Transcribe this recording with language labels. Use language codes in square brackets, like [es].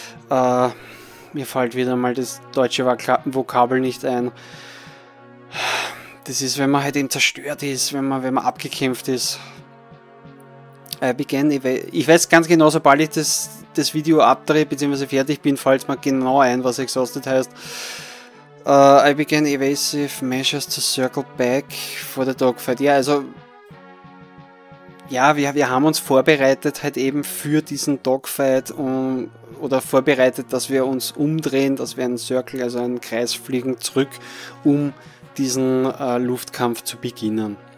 [de] Mir fällt wieder mal das deutsche Vokabel nicht ein. Das ist, wenn man halt eben zerstört ist, wenn man abgekämpft ist. Ich weiß ganz genau, sobald ich das Video abdrehe, beziehungsweise fertig bin, fällt mir genau ein, was exhausted heißt. [en] I began evasive measures to circle back for the dogfight. [de] Ja, also, ja, wir haben uns vorbereitet halt eben für diesen Dogfight oder vorbereitet, dass wir uns umdrehen, dass wir einen Circle, also einen Kreis fliegen zurück, um diesen Luftkampf zu beginnen.